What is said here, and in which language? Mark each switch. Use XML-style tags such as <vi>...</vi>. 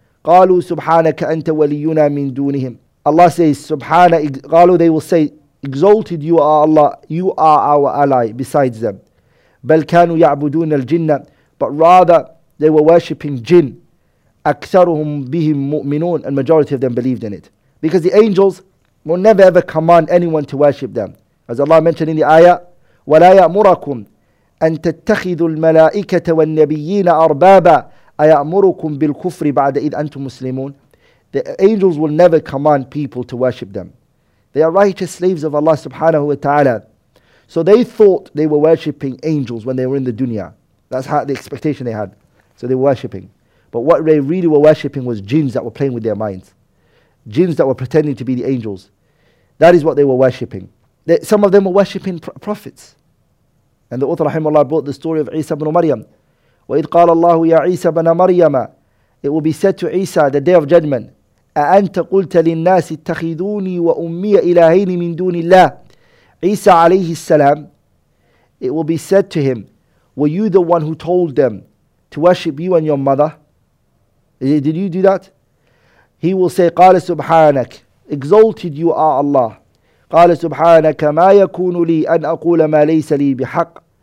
<ar>قَالُوا سُبْحَانَكَ أَنْتَ وَلِيُّنَا مِنْ دُونِهِمْ,</ar> <en>Allah says,</en> <ar>سُبْحَانَ, قَالُوا,</ar> <en>they will say, exalted you are Allah, you are our ally besides them.</en> <ar>بَلْ كَانُوا يَعْبُدُونَ الْجِنَّ,</ar> <en>but rather they were worshipping jinn.</en> <ar>أَكْثَرُهُمْ بِهِمْ مُؤْمِنُونَ,</ar> <en>and majority of them believed in it. Because the angels will never ever command anyone to worship them. As Allah mentioned in the ayah,</en> <ar>وَلَا يَأْمُرَكُمْ أَن تَتَّخِذُوا الْمَلَائِكَةَ وَالنَّبِيِّينَ أَرْبَابًا أَيَأْمُرُكُمْ بِالْكُفْرِ بَعْدَ إِذْ أَنْتُمْ مُسْلِمُونَ.</ar> <en>The angels will never command people to worship them. They are righteous slaves of Allah subhanahu wa ta'ala. So they thought they were worshipping angels when they were in the dunya. That's how the expectation they had. So they were worshipping. But what they really were worshipping was jinns that were playing with their minds. Jinns that were pretending to be the angels. That is what they were worshipping. Some of them were worshipping prophets. And the author, rahimahullah, brought the story of Isa ibn Maryam.</en> <ar>وَإِذْ قَالَ اللَّهُ يَا عِيسَى بَنَ مَرْيَمَ,</ar> <en>it will be said to Isa, the day of judgment,</en> <ar>أَأَنْتَ قُلْتَ لِلنَّاسِ اتَّخِذُونِي وَأُمِّيَ إِلَهَيْنِ مِنْ دُونِ اللَّهِ.</ar> <en>Isa alayhi salam, it will be said to him, were you the one who told them to worship you and your mother? Did you do that? He will say,</en> <ar>قَالَ سُبْحَانَكَ,</ar> <en>exalted you are Allah.</en> <ar>قَالَ سُبْحَانَكَ مَا يَكُونُ لِي أَنْ أَقُولَ مَا لَيْسَ لِي بِحَقٍّ.</ar>